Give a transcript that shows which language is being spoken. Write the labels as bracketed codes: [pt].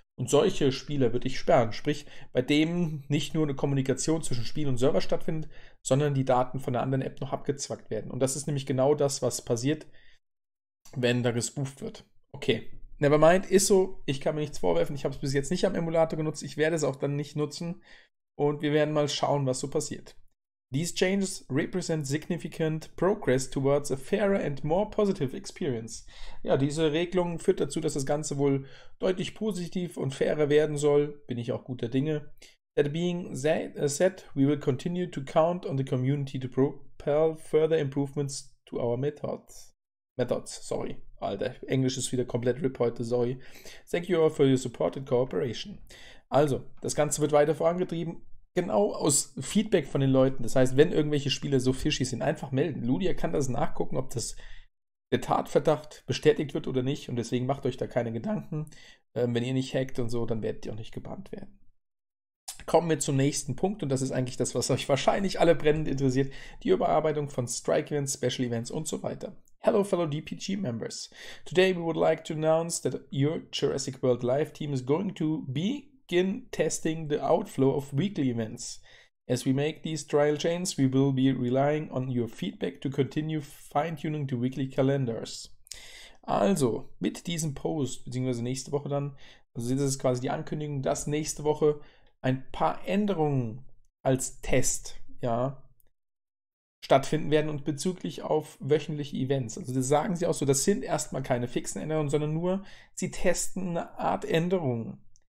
[de] Und solche Spieler würde ich sperren. Sprich, bei dem nicht nur eine Kommunikation zwischen Spiel und Server stattfindet, sondern die Daten von der anderen App noch abgezwackt werden. Und das ist nämlich genau das, was passiert, wenn da gespooft wird. Okay. Nevermind, ist so. Ich kann mir nichts vorwerfen. Ich habe es bis jetzt nicht am Emulator genutzt. Ich werde es auch dann nicht nutzen. Und wir werden mal schauen, was so passiert. [en] These changes represent significant progress towards a fairer and more positive experience. [de] Ja, diese Regelung führt dazu, dass das Ganze wohl deutlich positiv und fairer werden soll. Bin ich auch guter Dinge. [en] That being said, we will continue to count on the community to propel further improvements to our methods. Methods, sorry. [de] Alter, Englisch ist wieder komplett RIP heute, sorry. [en] Thank you all for your support and cooperation. [de] Also, das Ganze wird weiter vorangetrieben. Genau aus Feedback von den Leuten. Das heißt, wenn irgendwelche Spieler so fishy sind, einfach melden. Ludia kann das nachgucken, ob das der Tatverdacht bestätigt wird oder nicht. Und deswegen macht euch da keine Gedanken. Wenn ihr nicht hackt und so, dann werdet ihr auch nicht gebannt werden. Kommen wir zum nächsten Punkt, und das ist eigentlich das, was euch wahrscheinlich alle brennend interessiert: die Überarbeitung von Strike Events, Special Events und so weiter. [en] Hello, fellow DPG members. Today we would like to announce that your Jurassic World Live team is going to begin testing the outflow of weekly events. As we make these trial chains, we will be relying on your feedback to continue fine-tuning the weekly calendars. [de] Also, mit diesem Post, beziehungsweise nächste Woche dann, also das ist quasi die Ankündigung, dass nächste Woche ein paar Änderungen als Test, ja, stattfinden werden und bezüglich auf wöchentliche Events. Also das sagen sie auch so, das sind erstmal keine fixen Änderungen, sondern nur, sie testen eine Art Änderungen.